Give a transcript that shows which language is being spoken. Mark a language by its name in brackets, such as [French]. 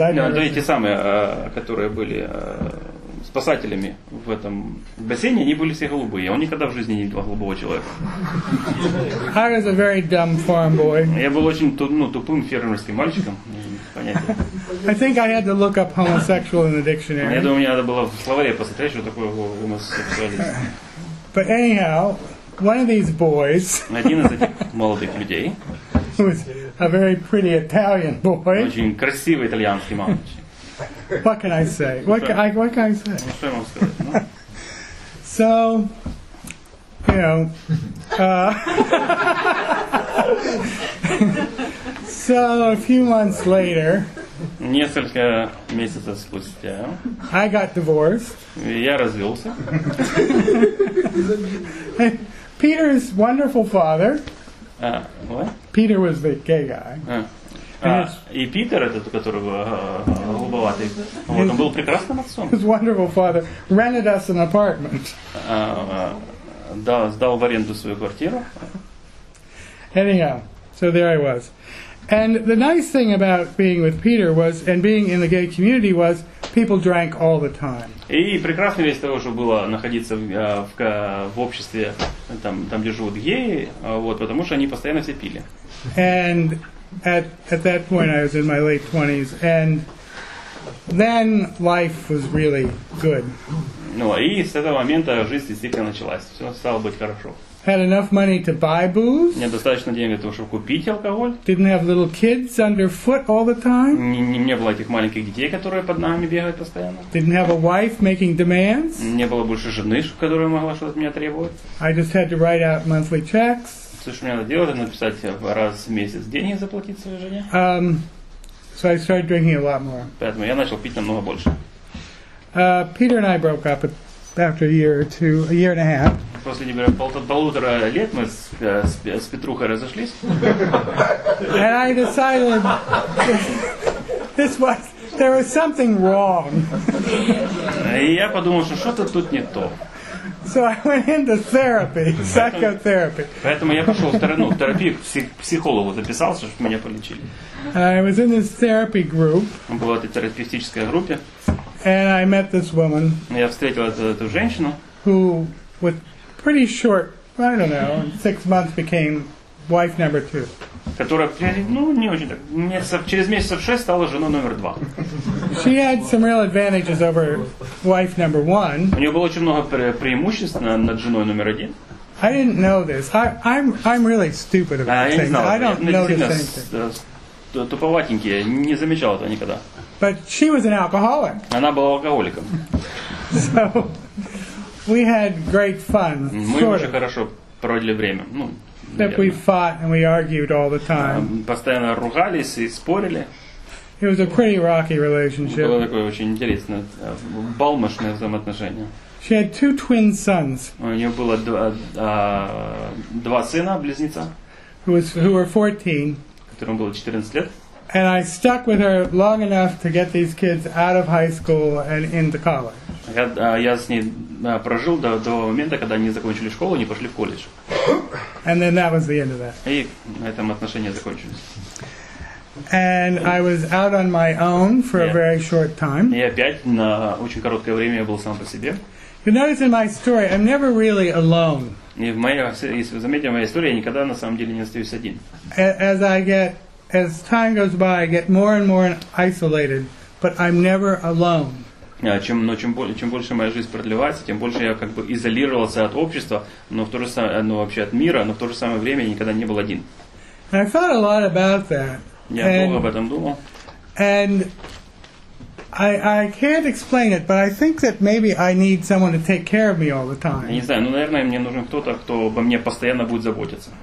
[Russian] Эти самые, которые были спасателями в этом бассейне, они были все голубые. Он никогда в жизни не видел голубого человека. [English] I was a very dumb farm boy. [Russian] Я был очень тупым фермерским мальчиком. [English] I think I had to look up homosexual in the dictionary. [Russian] Я думаю, мне надо было в словаре посмотреть, что такое гомосексуализм. [English] But anyhow, one of these boys. [Russian] Один из этих молодых людей. [English] Who was a very pretty Italian boy. [Russian] Очень красивый итальянский мальчик. [English] What can I say? What can I say? [Russian] Что я могу сказать? [English] So, you know. So a few months later, [Russian] Несколько месяцев спустя. [English] I got divorced. [Russian] Я развелся. [English] Peter is wonderful father. What? Peter was the gay guy. [Russian] И Питер, этот, которого голубоватый, вот, он был прекрасным отцом. [English] His wonderful father rented us an apartment. [Russian] Да, сдал в аренду свою квартиру. [English] Anyhow, so there I was. And the nice thing about being with Peter was, and being in the gay community was, people drank all the time. [Russian] И прекрасная вещь того, что было находиться в обществе, там где живут геи, вот, потому что они постоянно все пили. [English] And at that point I was in my late 20s, and then life was really good. [Russian] Ну, и с этого момента жизнь действительно началась. Все стало быть хорошо. [English] Had enough money to buy booze. [Russian] Мне достаточно денег для того, чтобы купить алкоголь. [English] Didn't have little kids underfoot all the time. [Russian] Не было этих маленьких детей, которые под ногами бегают постоянно. [English] Didn't have a wife making demands. [Russian] Не было больше жены, которая могла что-то от меня требовать. [English] I just had to write out monthly checks. [Russian] Все, что мне надо делать, это написать раз в месяц деньги заплатить своей жене. [English] So I started drinking a lot more. [Russian] Поэтому я начал пить намного больше. [English] Peter and I broke up after a year or two, a year and a half. [Russian] После полутора лет мы с Петрухой разошлись. [English] And I decided this was, there was something wrong. [Russian] И я подумал, что что-то тут не то. [English] So I went into therapy, psychotherapy. [Russian] Поэтому я пошел в терапию, к психологу записался, чтобы меня полечили. [English] I was in this therapy group. [Russian] Была эта терапевтическая группа. [English] And I met this woman. [Russian] Я встретил эту женщину. [English] Who with pretty short, I don't know, in 6 months became wife number two. [Russian] Которая, ну, не очень так, через месяцев шесть стала женой номер два. [English] She had some real advantages over wife number one. [Russian] У нее было очень много преимуществ над женой номер один. [English] I didn't know this. I'm really stupid about things. [Russian] Я туповатенький, я не замечал этого никогда. [English] But she was an alcoholic. [Russian] Она была алкоголиком. [English] So we had great fun. [Russian] Мы очень хорошо проводили время. Ну, [English] that we fought and we argued all the time. [Russian] Постоянно ругались и спорили. [English] It was a pretty rocky relationship. [Russian] Было такое очень интересное, балмошное взаимоотношение. [English] She had two twin sons. [Russian] У нее было два сына, близнеца. [English] Who were 14. [Russian] Которым было 14 лет. [English] And I stuck with her long enough to get these kids out of high school and into college. [Russian] Я с ней прожил до момента, когда они закончили школу и не пошли в колледж. [English] And then that was the end of that. [Russian] И на этом отношения закончились. [English] And I was out on my own for a very short time. [Russian] И опять на очень короткое время я был сам по себе. [English] You notice in my story, I'm never really alone. [Russian] И в моей, если вы заметили, моя история, я никогда на самом деле не остаюсь один. [English] As I get As time goes by, I get more and more isolated, but I'm never alone. [Russian] Чем больше моя жизнь продлевается, тем больше я как бы изолировался от общества, но в то же самое, ну, вообще от мира, но в то же самое время я никогда не был один. [English] And I thought a lot about that. [Russian] Я много об этом думал. [English] And I can't explain it, but I think that maybe I need someone to take care of me all the time. [Russian] Не знаю, ну, наверное, мне нужен кто-то, кто обо мне постоянно будет заботиться.